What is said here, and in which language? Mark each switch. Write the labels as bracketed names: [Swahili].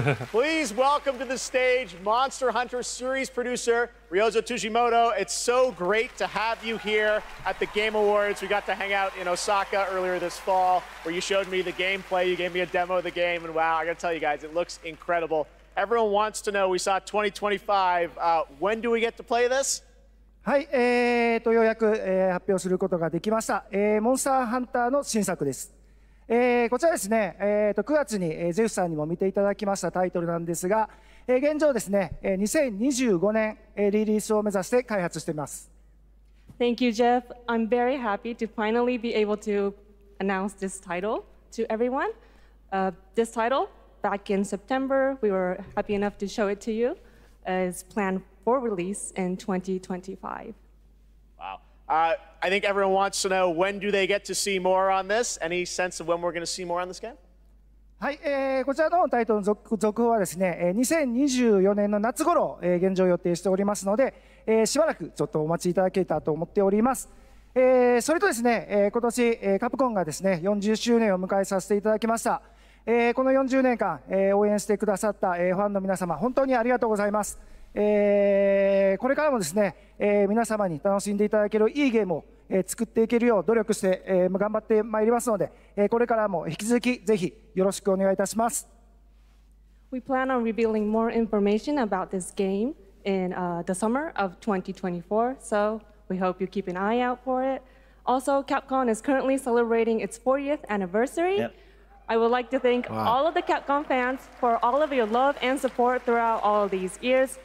[English] Please welcome to the stage Monster Hunter series producer Ryozo Tsujimoto. It's so great to have you here at the Game Awards. We got to hang out in Osaka earlier this fall where you showed me the gameplay. You gave me a demo of the game. And wow, I got to tell you guys, it looks incredible. Everyone wants to know, we saw 2025, when do we get to play this? [Japanese] はい、ようやく発表することができました。モンスターハンターの新作です。こちらですね、9月にゼウスさんにも見ていただきましたタイトルなんですが、現状ですね、2025年リリースを目指して開発しています。 [English] Thank you, Jeff. I'm very happy to finally be able to announce this title to everyone. This title, back in September, we were happy enough to show it to you, is planned for release in 2025. Wow. I think everyone wants to know, when do they get to see more on this? Any sense of when we're going to see more on this game? [Japanese] はい、こちらのタイトルの 続報はですね、2024年の夏頃、現状予定しておりますので、しばらくちょっとお待ちいただけたと思っております、それとですね、今年、カプコンがですね、40周年を迎えさせていただきました、この40年間、応援してくださった、ファンの皆様本当にありがとうございます、これからもですね、皆様に楽しんでいただけるいいゲームを作っていけるよう努力して頑張ってまいりますので、これからも引き続きぜひよろしくお願いいたします。 [English] We plan on revealing more information about this game in the summer of 2024, so we hope you keep an eye out for it. Also, Capcom is currently celebrating its 40th anniversary. I would like to thank all of the Capcom fans for all of your love and support throughout all of these years.